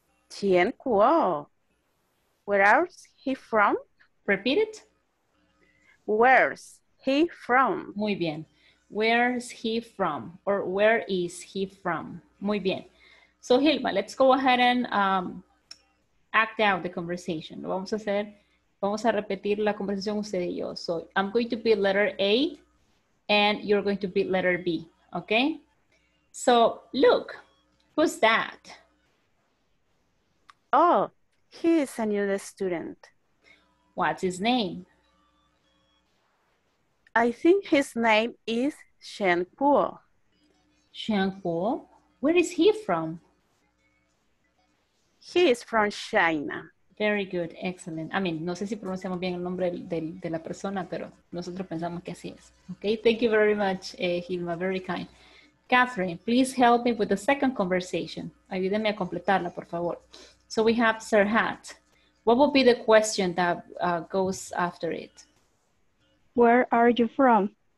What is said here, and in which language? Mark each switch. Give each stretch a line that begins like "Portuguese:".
English: Xion Kuo. Where is he from? Repeat it. Where's he from?
Spanish: Muy bien.
English: Where's he from? Or where is he from? Muy bien. So, Hilma, let's go ahead and act out the conversation.
Spanish: Lo vamos a hacer. Vamos a repetir la conversación usted y yo.
English: So, I'm going to be letter A and you're going to be letter B. Okay? So, look, who's that? Oh, he is a new student. What's his name? I think his name is Xion Kuo. Xion Kuo? Where is he from? He is from China. Very good, excellent.
Spanish: I mean, no sé si pronunciamos bien el nombre de la persona, pero nosotros pensamos que así es.
English: Okay, thank you very much, Hilma, very kind. Catherine, please help me with the second conversation.
Spanish: Ayúdeme a completarla, por favor.
English: So we have Serhat. What will be the question that goes after it? Where are you from?